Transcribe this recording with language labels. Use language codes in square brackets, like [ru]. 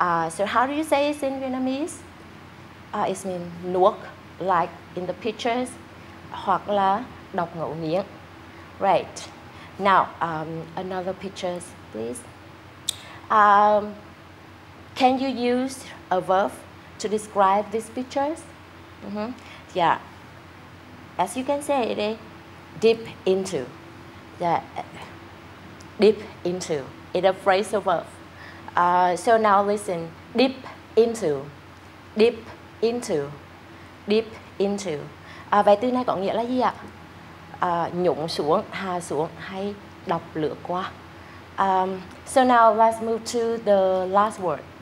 [en] So how do you say it in Vietnamese? It means [vi] nuốt, [en] like in the pictures, [vi] hoặc là đọc ngậu nghiến. [en] Right. Now another pictures, please. Can you use a verb to describe these pictures? Mm-hmm. Yeah. As you can say it. Dip into, yeah. Dip into. It's a phrase of verb. So now listen. Dip into, dip into, dip into. [vi] Vậy từ này có nghĩa là gì ạ? Nhúng xuống, hạ xuống hay đọc lướt qua. [en] So now let's move to the last word.